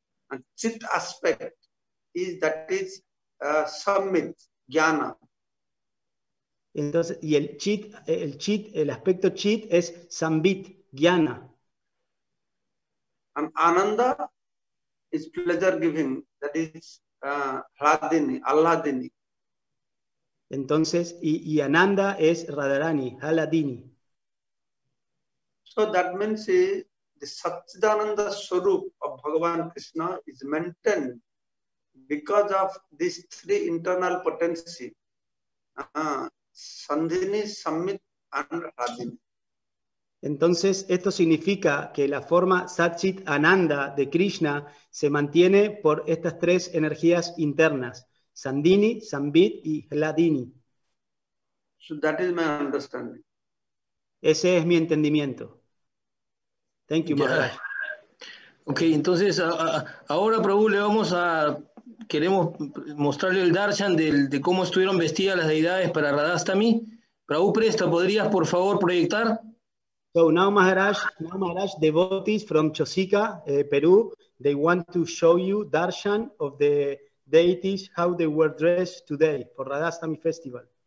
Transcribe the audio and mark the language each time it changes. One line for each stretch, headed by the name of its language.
English: And Chit aspect is that is Samit, Jnana.
Spanish: Entonces, y el aspecto Chit es Sambit, Jnana.
English: And Ananda is pleasure giving, that is Hladini, Alladini.
Spanish: Entonces, y Ananda es Radharani, Haladini.
English: So that means the Satchidananda Swarup of Bhagavan Krishna is maintained because of these three internal potencies, Sandini, Sammit, and Hladini.
Spanish: Entonces, esto significa que la forma Satchit Ananda de Krishna se mantiene por estas tres energías internas, Sandini, Sambit y Hladini.
English: So that is my understanding.
Spanish: Ese es mi entendimiento.
English: Thank you, Maharaj.
Spanish: Ok, entonces, ahora, Prabhu, queremos mostrarle el darshan de cómo estuvieron vestidas las deidades para Radhastami. Prabhu Presta, ¿podrías, por favor, proyectar?
English: So now Maharaj, devotees from Chosica, Peru, they want to show you darshan of the deities, how they were dressed today for Radhastami festival.